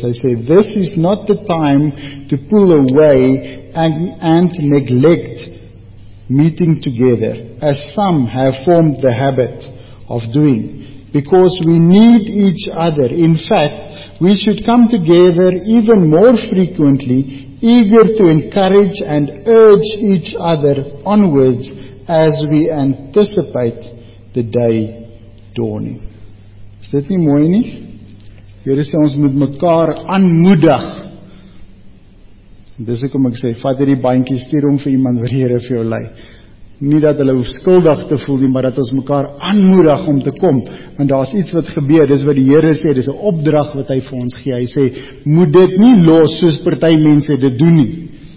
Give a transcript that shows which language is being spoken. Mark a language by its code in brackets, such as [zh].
[af] Hy sê, [en] this is not the time to pull away and neglect meeting together, as some have formed the habit of doing, because we need each other. In fact, we should come together even more frequently, eager to encourage and urge each other onwards as we anticipate the day dawning. [af] Is dit nie mooi nie? Here sê ons moet mekaar aanmoedig. Dis hoekom ek sê, vat hierdie bandjie, stuur hom vir iemand wat die Here vir jou lei. Nie dat hulle skuldig te voel nie, maar dat ons mekaar aanmoedig om te kom. Want daar is iets wat gebeur, dis wat die Here sê, dis 'n opdrag wat hy vir ons gee. Hy sê, moet dit nie los soos party mense dit doen nie.